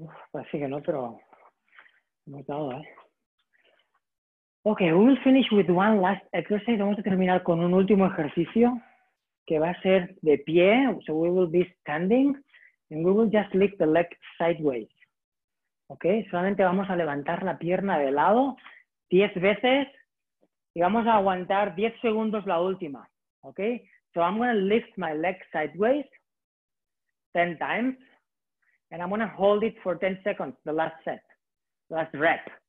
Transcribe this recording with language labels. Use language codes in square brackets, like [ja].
[es] Parece que no, pero hemos dado, ¿eh? [en] Ok, we'll finish with one last exercise. [es] Vamos a terminar con un último ejercicio que va a ser de pie. [en] So we will be standing and we will just lift the leg sideways. [es] Ok, solamente vamos a levantar la pierna de lado 10 veces y vamos a aguantar 10 segundos la última. [en] Ok, so I'm going to lift my leg sideways 10 times. And I'm going to hold it for 10 seconds, the last set, last rep.